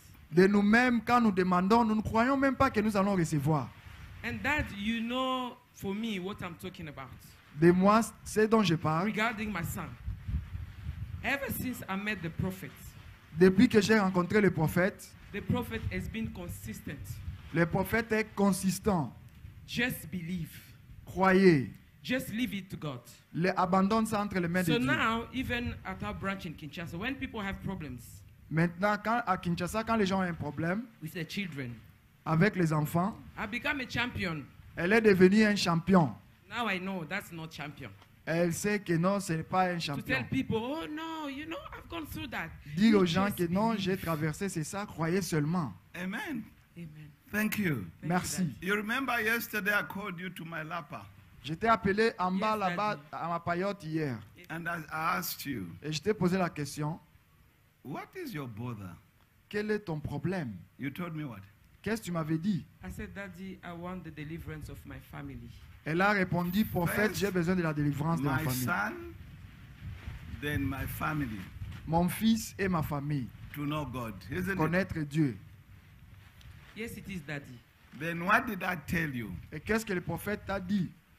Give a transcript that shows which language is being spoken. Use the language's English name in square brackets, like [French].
[French] De nous-mêmes, quand nous demandons, nous ne croyons même pas que nous allons recevoir. [English] And that you know for me what I'm talking about. [French] De moi, c'est dont je parle. [English] Regarding my son. Ever since I met the prophet, [French] depuis que j'ai rencontré le prophète, [English] the prophet has been consistent. [French] Le prophète est consistant. [English] Just believe. [French] Croyez. [English] Just leave it to God. [French] Le abandonne ça entre les mains [English] so [French] de Dieu. [English] So now, even at our branch in Kinshasa, when people have problems, [French] maintenant quand à Kinshasa quand les gens ont un problème, [English] with their children, [French] avec les enfants, [English] I become a champion. [French] Elle est devenue un champion. [English] Now I know that's not champion. [French] Elle sait que non, ce n'est pas un champion. [English] To tell people, oh no, you know, I've gone through that. [French] Dire aux gens que non, j'ai traversé, c'est ça, croyez seulement. [English] Amen. Amen. Thank you. [French] Merci. [English] You remember yesterday I called you to my lapa. [French] J'étais appelé en bas là-bas à ma paillote hier. [English] And I asked you. [French] Et je t'ai posé la question. [English] What is your bother? [French] Quel est ton problème? [English] You told me what? [French] Qu'est-ce que tu m'avais dit? [English] I said, Daddy, I want the deliverance of my family. [French] Elle a répondu, prophète, j'ai besoin de la délivrance de ma famille. [English] My son, then my family. [French] Mon fils et ma famille. [English] To know God, isn't it? [French] Connaître Dieu. [English] Yes, it is, Daddy. Then what did I tell you? [French] Et qu'est-ce que le prophète t'a dit?